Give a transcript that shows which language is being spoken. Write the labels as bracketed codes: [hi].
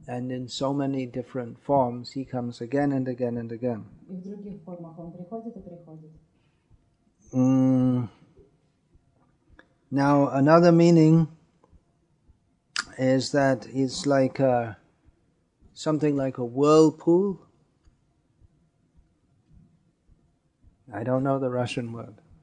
[en] and in so many different forms, he comes again and again and again. [ru] И в других формах он приходит и приходит. [en] Now, another meaning is that it's like something like a whirlpool. I don't know the Russian word.